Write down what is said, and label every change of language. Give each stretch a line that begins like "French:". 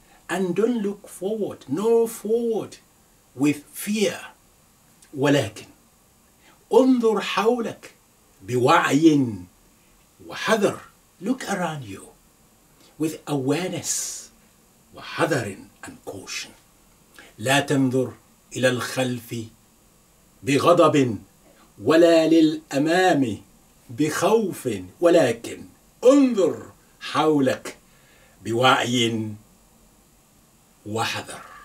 English: And don't look forward, nor forward with fear.
Arabic: ولكن انظر حولك بوعي وحذر.
English: Look around you with awareness
Arabic: وحذر
English: and caution.
Arabic: لا تنظر إلى الخلف بغضب ولا للأمام بخوف ولكن انظر حولك بوعي وحذر.